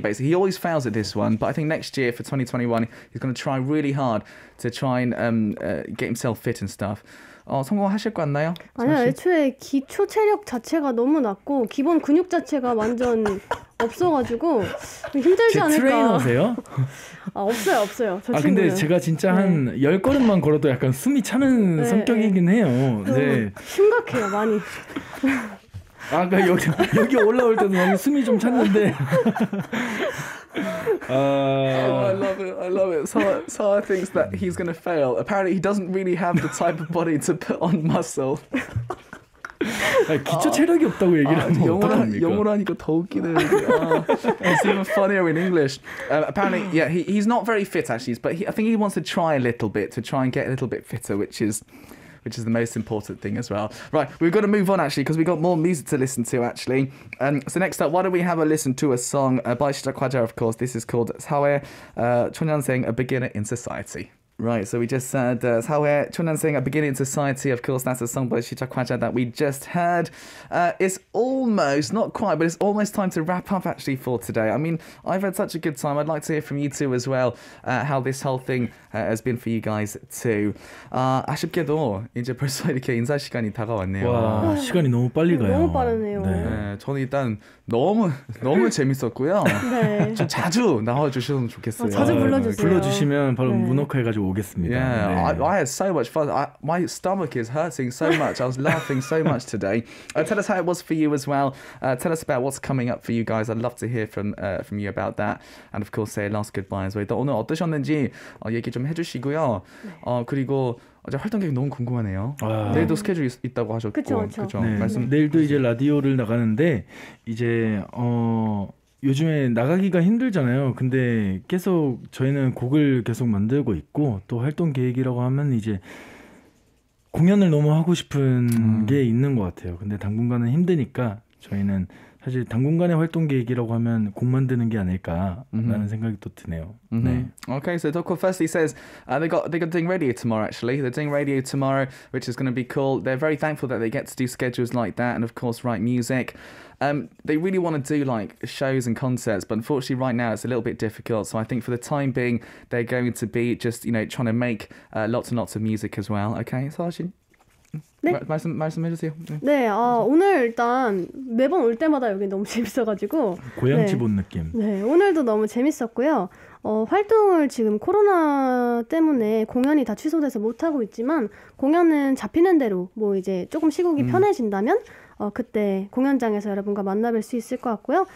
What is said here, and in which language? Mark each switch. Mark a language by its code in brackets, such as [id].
[en] Basically, he always fails at this one, but I think next year for 2021 he's going to try really hard to try and get himself fit and stuff. [ko] 성공하실 것 같나요? 아니요, 애초에 기초 체력 자체가 너무 낮고 기본 근육 자체가 완전 없어가지고 힘들지 않을까. 트레이너세요? 아, 없어요. 저 친구는. 근데 제가 진짜 한 열 걸음만 걸어도 약간 숨이 차는 네, 성격이긴 네. 해요. 네. 심각해요, 많이. 아까 여기 올라올 때도 너무 숨이 좀 찼는데. [en] I love it. So I think that he's gonna fail. Apparently, he doesn't really have the type of body to put on muscle. [ko] 기초 체력이 없다고 얘기를 하면 어떡합니까? 영어로 하니까 더 웃기네. [en] It's even funnier in English. Apparently, yeah, he's not very fit actually, but I think he wants to try a little bit to try and get a little bit fitter, which is the most important thing as well. Right, we've got to move on actually because we've got more music to listen to actually. So next up, why don't we have a listen to a song by Shida Kwajar, of course. This is called 사회 초년생, A Beginner in Society. Right, so we just said 사회 초년생, A Beginner in Society. Of course, that's a song by Shida Kwajar that we just heard. It's almost, not quite, but it's almost time to wrap up actually for today. I mean, I've had such a good time. I'd like to hear from you too as well how this whole thing has been for you guys too. [ko] 아쉽게도 이제 벌써 이렇게 인사 시간이 다가왔네요. 와, 시간이 너무 빨리 가요. 너무 빠르네요. 네. 네, 저는 일단 너무 재밌었고요. 네. 좀 자주 나와주셨으면 좋겠어요. 자주 불러주세요. 불러주시면 바로 네. 문어회가지고 오겠습니다. [en] Yeah, 네. I had so much fun. My stomach is hurting so much. I was laughing so much today. Tell us how it was for you as well. Tell us about what's coming up for you guys. I'd love to hear from you about that. And of course, say last goodbye as well. [ko] 오늘 어떠셨는지 얘기 좀 해주시고요. 네. 그리고 어제 활동 계획 너무 궁금하네요. 내일도 스케줄 있다고 하셨고. 그렇죠. 네. 말씀. 내일도 이제 라디오를 나가는데 이제 요즘에 나가기가 힘들잖아요. 근데 계속 저희는 곡을 계속 만들고 있고 또 활동 계획이라고 하면 이제 공연을 너무 하고 싶은 게 있는 것 같아요. 근데 당분간은 힘드니까 저희는 사실 당분간의 활동 계획이라고 하면 곡 만드는 게 아닐까라는 생각이 또 드네요. [en] Mm-hmm. 네. Okay, so Toko firstly says they're doing radio tomorrow. Actually, they're doing radio tomorrow, which is going to be cool. They're very thankful that they get to do schedules like that, and of course, write music. They really want to do like shows and concerts, but unfortunately, right now it's a little bit difficult. So I think for the time being, they're going to be just trying to make lots and lots of music as well. Okay, Sarshin. [ko] 네 말씀해주세요. 네, 네 오늘 일단 매번 올 때마다 여기 너무 재밌어가지고 고향집 네. 온 느낌. 네 오늘도 너무 재밌었고요. 활동을 지금 코로나 때문에 공연이 다 취소돼서 못 하고 있지만 공연은 잡히는 대로 뭐 이제 조금 시국이 편해진다면 그때 공연장에서 여러분과 만나뵐 수 있을 것 같고요.